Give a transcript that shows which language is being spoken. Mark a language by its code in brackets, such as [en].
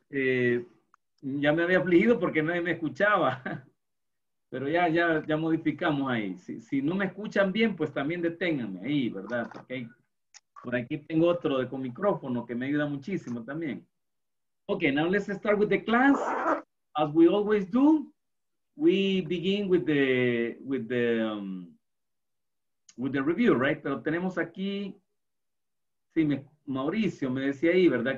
[es] Ya me había afligido porque nadie me escuchaba. Pero ya modificamos ahí. Si no me escuchan bien, pues también deténganme ahí, ¿verdad? Porque por aquí tengo otro con micrófono que me ayuda muchísimo también. [en] Ok, now let's start with the class. As we always do, we begin with the review, right? [es] Pero tenemos aquí, sí, Mauricio me decía ahí, ¿verdad?